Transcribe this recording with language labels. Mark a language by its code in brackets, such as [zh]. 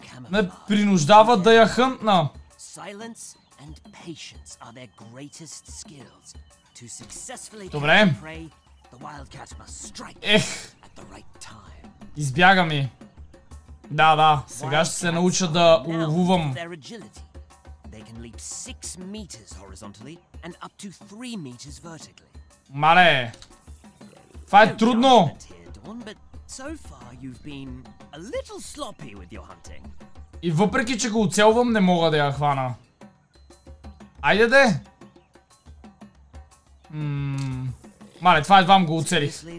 [bg] ме принуждава да я хънтна. [en] Silence and patience are their greatest skills. To successfully prey, the wildcat must strike at the right time. [bg] Избяга ми. Да, да, сега ще се науча да улувам. [en] They can leap 6 meters horizontally and up to 3 meters vertically. [bg] Мале. Това е трудно. [en] But so far you've been a little sloppy with your hunting. [bg] И въпреки, че го оцелвам, не мога да я хвана. Айде де! Мале, това едва му го оцелих.